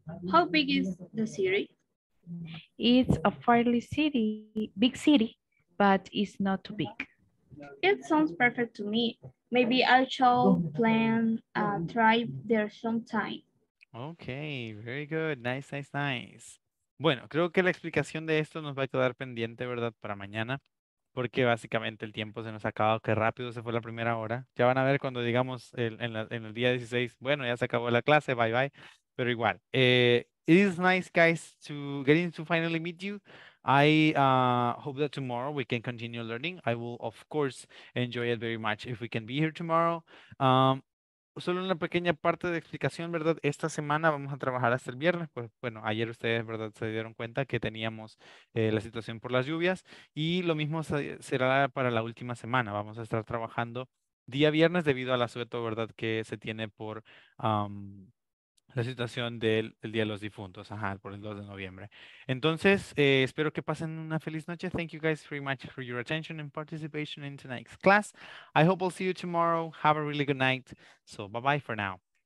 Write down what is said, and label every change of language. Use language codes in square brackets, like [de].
[en] How big is the city? It's a fairly big city, but it's not too big. It sounds perfect to me. Maybe I shall plan a trip there sometime. Okay, very good. Nice, nice, nice. [es] Bueno, creo que la explicación de esto nos va a quedar pendiente, ¿verdad? Para mañana, porque básicamente el tiempo se nos ha acabado. Qué rápido se fue la primera hora. Ya van a ver cuando digamos en el día 16, bueno, ya se acabó la clase, bye, bye. Pero igual, [en] it is nice, guys, to getting to finally meet you. I hope that tomorrow we can continue learning. I will, of course, enjoy it very much if we can be here tomorrow. [es] Solo una pequeña parte de explicación, ¿verdad? Esta semana vamos a trabajar hasta el viernes. Pues bueno, ayer ustedes, ¿verdad?, se dieron cuenta que teníamos la situación por las lluvias. Y lo mismo será para la última semana. Vamos a estar trabajando día viernes debido al asueto, ¿verdad?, que se tiene por la situación del el Día de los Difuntos, ajá, por el 2 de noviembre. Entonces, espero que pasen una feliz noche. [en] Thank you guys very much for your attention and participation in tonight's class. I hope I'll see you tomorrow. Have a really good night. So, bye-bye for now.